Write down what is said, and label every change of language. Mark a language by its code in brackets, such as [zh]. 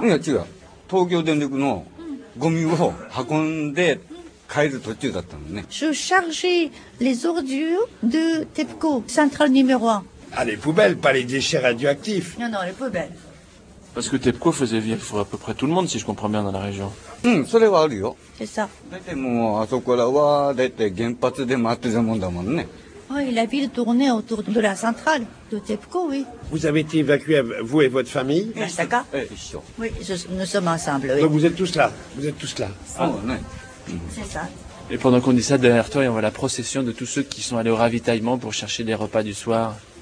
[fr] Oui, c'est ça. [ja] Tokyo Denryuku no gomi wo hakonde kaeru tochuu datta no ne. [fr] Je chargeais les ordures de TEPCO, centrale numéro 1. Ah, les poubelles, pas les déchets radioactifs. Non, non, les poubelles. Parce que TEPCO faisait vivre à peu près tout le monde, si je comprends bien, dans la région. [ja] それはあるよ。 [fr] C'est ça. [ja] もうあそこらは、だいたい原発で回ってたもんだもんね。 [fr] Oui, la ville tournait autour de la centrale de TEPCO, oui. Vous avez été évacués, vous et votre famille ? [ja] Masaka ? [fr] Oui, nous sommes ensemble, oui. Donc vous êtes tous là ? Vous êtes tous là ? C'est ça. Et pendant qu'on dit ça, derrière toi, on voit la procession de tous ceux qui sont allés au ravitaillement pour chercher des repas du soir.